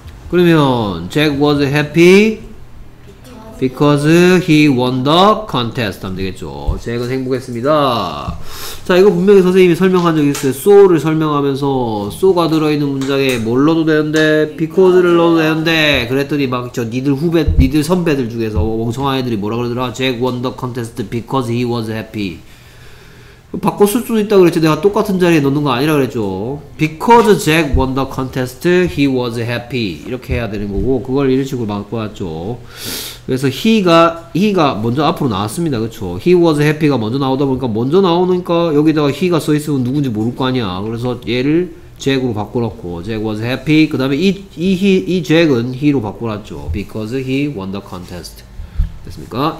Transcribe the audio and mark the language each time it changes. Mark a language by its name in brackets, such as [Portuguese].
[Korean] 그러면 [English] Jack was happy because he won the contest [Korean] 하면 되겠죠. Jack은 행복했습니다. 자 이거 분명히 선생님이 설명한 적이 있어요. So를 설명하면서 So가 들어있는 문장에 뭘 넣어도 되는데 Because를 넣어도 되는데 그랬더니 막 저 니들 후배, 니들 선배들 중에서 엉성한 애들이 뭐라 그러더라. [English] Jack won the contest because he was happy. [Korean] 바꿨을 수도 있다 그랬지. 내가 똑같은 자리에 넣는 거 아니라 그랬죠. [English] Because Jack won the contest, he was happy. [Korean] 이렇게 해야 되는 거고, 그걸 이런 식으로 바꿔왔죠. 그래서 he가 먼저 앞으로 나왔습니다. 그쵸. [English] He was happy [Korean] 가 먼저 나오다 보니까, 먼저 나오니까 여기다가 he가 써있으면 누군지 모를 거 아니야. 그래서 얘를 Jack으로 바꿔놨고, [English] Jack was happy. [Korean] 그 다음에 이 Jack은 he로 바꿔놨죠. [English] Because he won the contest. [Korean] 됐습니까?